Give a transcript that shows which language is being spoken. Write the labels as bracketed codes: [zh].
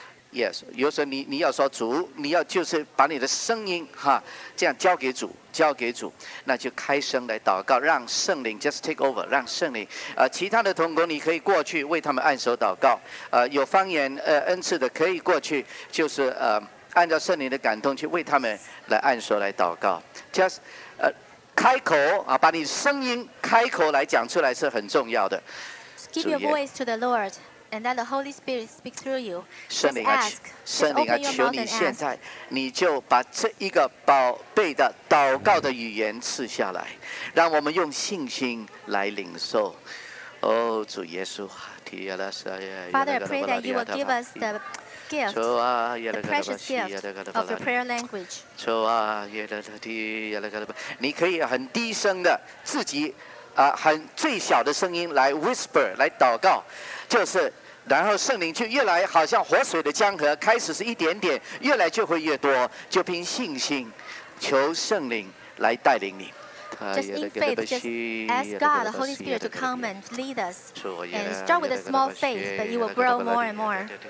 [zh] 有时候你要说主，你要就是把你的声音哈这样交给主，交给主，那就开声来祷告，让圣灵 [en] just take over， [zh] 让圣灵，其他的同工你可以过去为他们按手祷告，有方言恩赐的可以过去，就是按照圣灵的感动去为他们来按手来祷告 ，just 开口啊，把你声音开口来讲出来是很重要的。 [en] Give your voice to the Lord and let the Holy Spirit speak through you. [zh] 圣灵啊，圣灵啊，求你现在你就把这一个宝贝的祷告的语言赐下来，让我们用信心来领受。哦，主耶稣 [en] ，Father, I pray that you will give us the precious gift of the prayer language. [zh] 来祷告，就是。然后圣灵就越来好像活水的江河，开始是一点点，越来就会越多，就凭信心求圣灵来带领你。 [en] Just in faith, just ask God, the Holy Spirit, to come and lead us. And start with a small faith, but you will grow more and more.